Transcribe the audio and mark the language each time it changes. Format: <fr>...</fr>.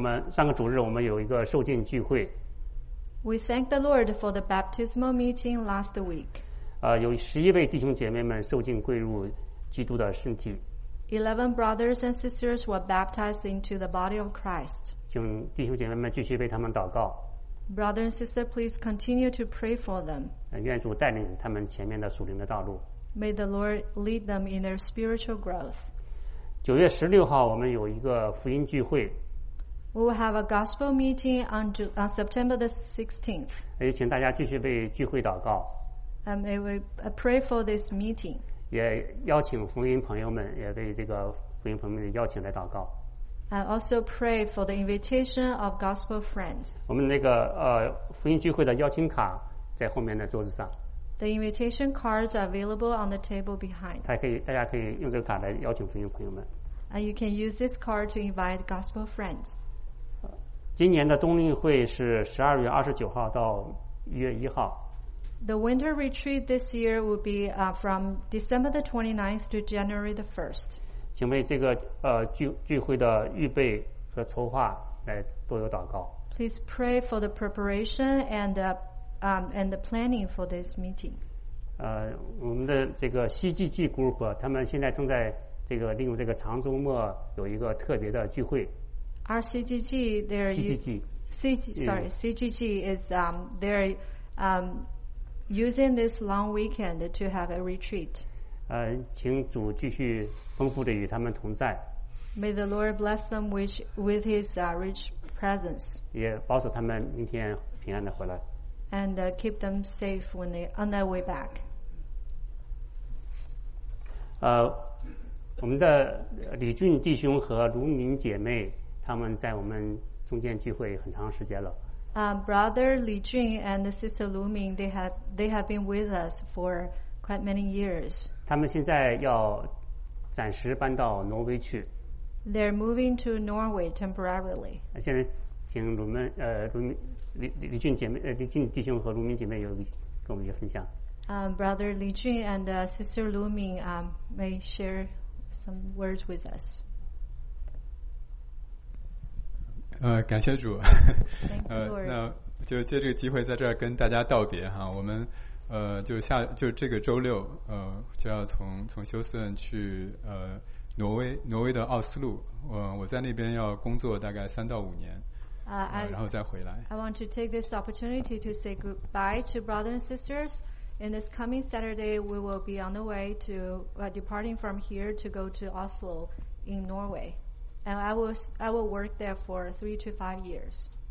<zh>上个主日我们有一个受浸聚会。</zh> <en>We thank the Lord for the baptismal meeting last week.</en> <zh>有十一位弟兄姐妹们受浸归入基督的身体。</zh> <en>11 brothers and sisters were baptized into the body of Christ.</en> <zh>请弟兄姐妹们继续为他们祷告。</zh> <en>Brother and sister, please continue to pray for them.</en> <zh>愿主带领他们前面的属灵的道路。</zh> <en>May the Lord lead them in their spiritual growth.</en> <zh>9月16号我们有一个福音聚会。</zh> <en>We will have a gospel meeting on September the 16th.</en> <zh>也请大家继续为聚会祷告。</zh> <en>May we pray for this meeting.</en> <zh>也邀请福音朋友们，也为这个福音朋友们邀请来祷告。</zh> <en>I also pray for the invitation of gospel friends.</en> <zh>我们那个福音聚会的邀请卡在后面的桌子上。</zh> <en>The invitation cards are available on the table behind.</en> <zh>大家可以用这个卡来邀请福音朋友们。</zh> <en>And you can use this card to invite gospel friends.</en> <zh>今年的冬令会是12月29号到1月1号。</zh> <en>The winter retreat this year will be from December the 29th to January the 1st.</en> <zh>请为这个聚会的预备和筹划来多有祷告。</zh> <en>Please pray for the preparation and the planning for this meeting.</en> <zh>我们的这个西季季 group， 他们现在正在这个利用这个长周末有一个特别的聚会。</zh> <en>RCGG, they're CGG is they're using this long weekend to have a retreat.</en> <zh>请主继续丰富的与他们同在。</zh> <en>May the Lord bless them with His rich presence.</en> <zh>也保守他们明天平安的回来。</zh> <en>And keep them safe when they on their way back.</en> <zh>我们的李俊弟兄和卢明姐妹，他们在我们中间聚会很长时间了。</zh> <en>Brother Li Jun and Sister Lu Ming, they have been with us for quite many years.</en> <zh>他们现在要暂时搬到挪威去。</zh> <en>They're moving to Norway temporarily.</en> <zh>现在请卢们李俊弟兄和卢明姐妹有跟我们一个分享。</zh> <en>Brother Li Jun and Sister Lu Ming may share some words with us.</en> <zh>感谢主。</zh> <en>Thank you, Lord.</en> <zh>那就借这个机会在这儿跟大家道别哈。我们就这个周六就要从休斯顿去挪威的奥斯陆。我在那边要工作大概3到5年，然后再回来。</zh> <en>I want to take this opportunity to say goodbye to brothers and sisters. In this coming Saturday, we will be on the way to departing from here to go to Oslo in Norway. And I will work there for 3 to 5 years.</en>